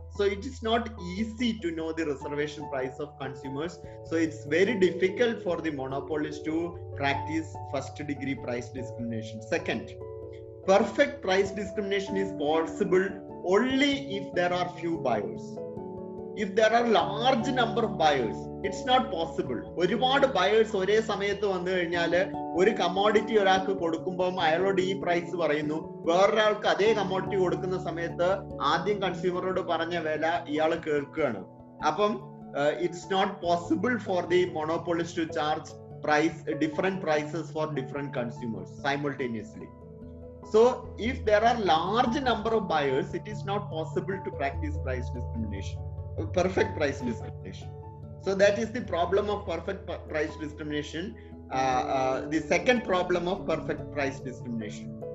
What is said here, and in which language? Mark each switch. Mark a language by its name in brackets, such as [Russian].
[English] So it is not easy to know the reservation price of consumers. So it's very difficult for the monopolist to practise first degree price discrimination. Second, perfect price discrimination is possible only if there are few buyers. If there are large number of buyers, it's not possible. [Malayalam] ഒരുപാട് buyers ഒരേ സമയത്ത് വന്നു കഴിഞ്ഞാൽ ഒരു commodity ഒരാൾക്ക് കൊടുക്കുമ്പോൾ അയാളോട് ഈ പ്രൈസ് പറയുന്നു, വേറൊരാൾക്ക് അതേ കമോഡിറ്റി കൊടുക്കുന്ന സമയത്ത് ആദ്യം കൺസ്യൂമറോട് പറഞ്ഞ വില ഇയാൾ കേൾക്കുകയാണ്. അപ്പം [English] It's not possible for the monopolist to charge price different prices for different consumers simultaneously. So if there are large number of buyers, it is not possible to practice price discrimination, perfect price discrimination. So that is the problem of perfect price discrimination, the second problem of perfect price discrimination.